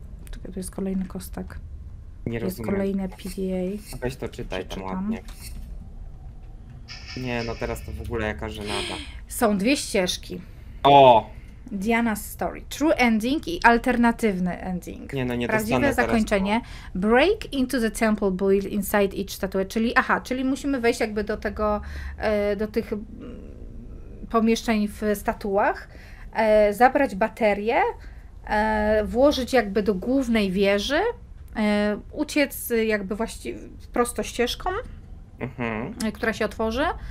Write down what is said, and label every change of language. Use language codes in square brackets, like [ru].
[pl] Czekaj, tu jest kolejny kostek. Nie jest rozumiem. Jest kolejne PDA. A weź to czytaj tam ładnie. Nie, no teraz to w ogóle jaka żenada. Są dwie ścieżki. O! [en] Diana's Story. True ending [pl] i alternatywny [en] ending. [pl] Nie, no nie prawdziwe zakończenie. Teraz, bo... [en] Break into the temple buried inside each statue. [pl] Czyli, aha, czyli musimy wejść jakby do tego, do tych pomieszczeń w statuach, zabrać baterie, włożyć jakby do głównej wieży, uciec jakby właściwie prosto ścieżką, która się otworzy.